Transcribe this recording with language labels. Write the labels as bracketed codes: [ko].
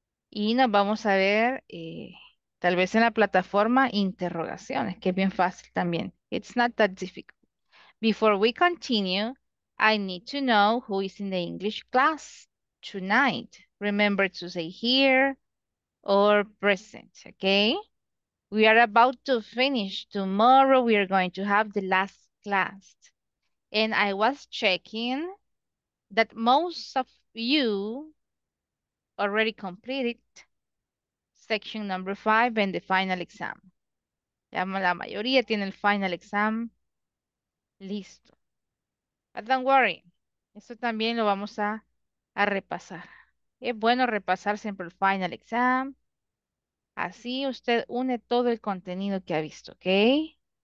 [es] Y nos vamos a ver tal vez en la plataforma interrogaciones, que es bien fácil también. [en] It's not that difficult. Before we continue, I need to know who is in the English class tonight. Remember to say here or present, okay? We are about to finish. Tomorrow we are going to have the last class. And I was checking that most of you already completed section number 5 and the final exam. [es] Ya la mayoría tiene el [en] final exam [es] listo. [en] But don't worry, [es] esto también lo vamos a repasar. Es bueno repasar siempre el [en] final exam. [es] Así usted une todo el contenido que ha visto, ¿ok?